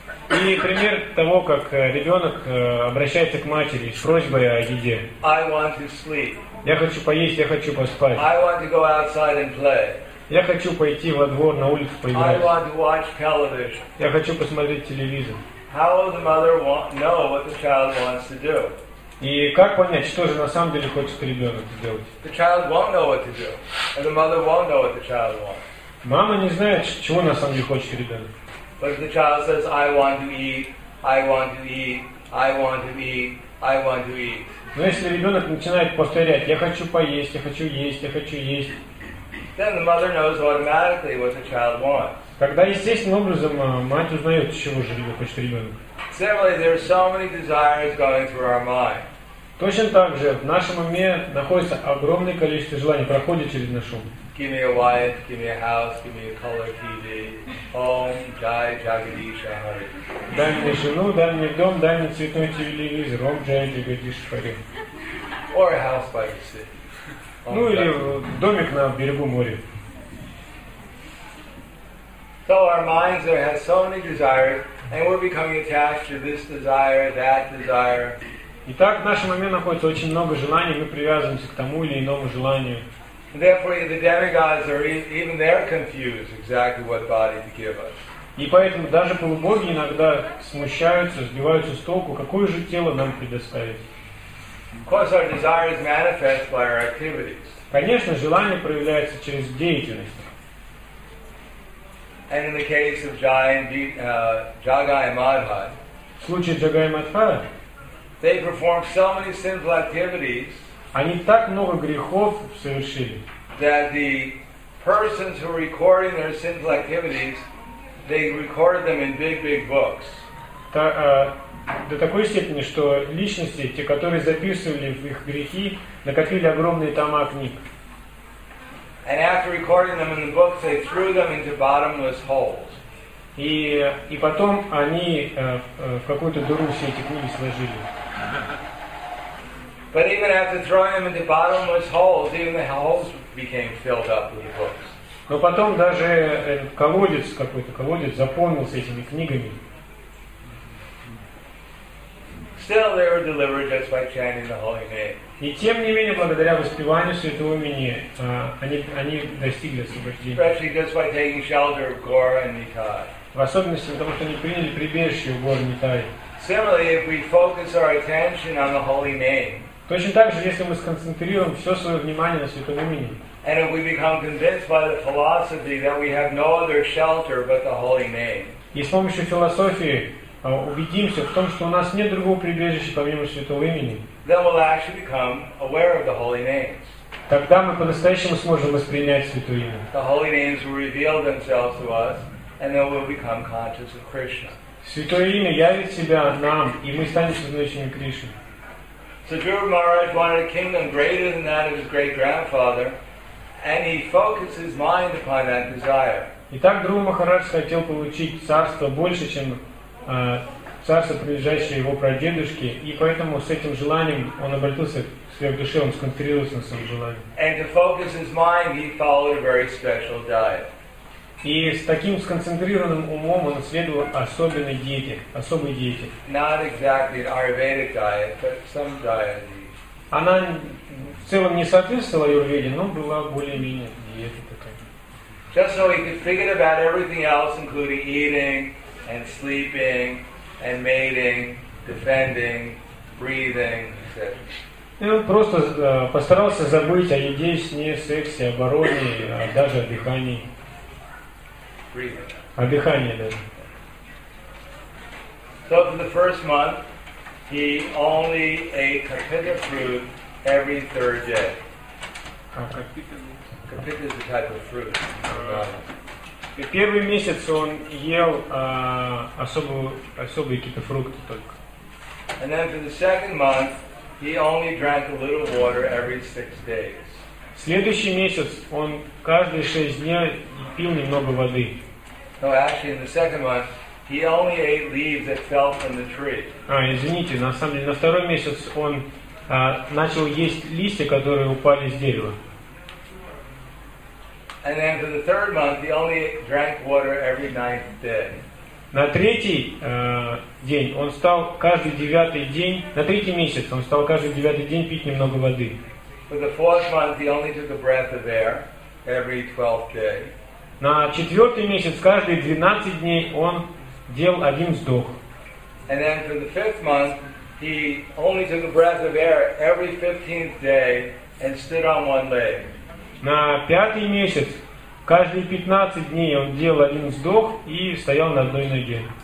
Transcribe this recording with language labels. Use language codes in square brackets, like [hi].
[ru] И пример того, как ребенок обращается к матери с просьбой о еде. [en] I want to sleep. [ru] Я хочу поесть, я хочу поспать. [en] I want to go outside and play. [ru] Я хочу пойти во двор, на улицу поиграть. [en] I want to watch television. [ru] Я хочу посмотреть телевизор. [en] How will the mother know what the child wants to do? [ru] И как понять, что же на самом деле хочет ребенок сделать? [en] The child won't know what to do, and the mother won't know what the child wants. [ru] Мама не знает, чего на самом деле хочет ребенок. [en] But if the child says, "I want to eat, I want to eat, I want to eat, I want to eat." [ru] Но если ребенок начинает повторять, я хочу поесть, я хочу есть, я хочу есть. [en] Then the mother knows automatically what the child wants. [ru] Тогда естественным образом мать узнает, чего же хочет ребенок. [en] Similarly, there are so many desires going through our mind. [ru] Точно так же в нашем уме находится огромное количество желаний, проходит через наш ум. [en] Give me a wife, give me a house, give me a color TV, home, Jai Jagadish Hari. [ru] Дай мне жену, дай мне дом, дай мне цветной телевизор, home, Jai Jagadish Hari. [en] Or a house by the sea. [ru] Ну или домик на берегу моря. [en] So our minds have so many desires, and we're becoming attached to this desire, that desire. [ru] Итак, в нашем уме находится очень много желаний, мы привязываемся к тому или иному желанию. [en] Therefore, the demigods are even they're confused exactly what body to give us. [ru] И поэтому даже полубоги иногда смущаются, сбиваются с толку, какое же тело нам предоставить. [en] Of course, our desires manifest by our activities. [ru] Конечно, желание проявляется через деятельность. [en] And in the case of Jagai Madhai, [ru] в случае Jagai Madhai, [en] they perform so many sinful activities. [ru] Они так много грехов совершили. [en] That the persons who are recording their sinful activities, they recorded them in big books. [ru] До такой степени, что личности, те, которые записывали в их грехи, накопили огромные тома книг. [en] And after recording them in the books, they threw them into bottomless holes. [ru] И потом они в какую-то дыру все эти книги сложили. [en] But even after throwing them into bottomless holes, even the holes became filled up with books. [ru] Но потом даже колодец какой-то, колодец заполнился этими книгами. [en] Still, they were delivered just by chanting the holy name. [ru] И тем не менее, благодаря воспеванию святого имени, они достигли освобождения. [en] Especially just by taking shelter of Gaura and Nitai. [ru] В особенности потому, что они приняли прибежище у Гора Нитай. [en] Similarly, if we focus our attention on the holy name. [ru] Точно так же, если мы сконцентрируем все свое внимание на святом имени. [en] And if we become convinced by the philosophy that we have no other shelter but the holy name. [ru] И с помощью философии убедимся в том, что у нас нет другого прибежища, помимо святого имени. [en] Then we'll actually become aware of the holy names. [ru] Тогда мы по-настоящему сможем воспринять святое имя. [en] The holy names will reveal themselves to us, and then we'll become conscious of Krishna. [ru] Святое имя явит себя нам, и мы станем сознающими Кришны. [en] So Dhruva Maharaj wanted a kingdom greater than that of his great-grandfather, and he focused his mind upon that desire. [ru] Итак, Дхрува Махарадж хотел получить царство больше, чем царство, приближающее его прадедушке, и поэтому с этим желанием он обратился к своей душе, он сконцентрировался на своем желании. [en] And to focus his mind, he followed a very special diet. [ru] И с таким сконцентрированным умом он следовал особенной диете, особой диете. [en] Not exactly an Ayurvedic diet, but some diet. [ru] Она в целом не соответствовала Аюрведе, но была более-менее диета такая. [en] Just so he could forget about everything else, including eating, and sleeping, and mating, defending, breathing, etc. [ru] И он просто постарался забыть о еде, сне, сексе, обороне, даже о дыхании. [en] Breathing. [ru] О дыхании даже. [en] So for the first month, he only ate kapita fruit every third day. Kapita is a type of fruit. [ru] И первый месяц он ел особые какие-то фрукты только. [en] And then for the second month, he only drank a little water every six days. [ru] Следующий месяц он каждые шесть дней пил немного воды. [en] No, actually, in the second month, he only ate leaves that fell from the tree. [ru] Извините, на самом деле, на второй месяц он начал есть листья, которые упали с дерева. [en] And then for the third month, he only drank water every ninth day. [ru] На третий день он стал каждый девятый день, на третий месяц он стал каждый девятый день пить немного воды. [en] For the fourth month, he only took a breath of air every 12th day. [ru] На четвертый месяц каждые 12 дней он делал один вздох. [en] And then for the fifth month, he only took a breath of air every 15th day and stood on one leg. [ru] На пятый месяц каждые 15 дней он делал один вздох и стоял на одной ноге.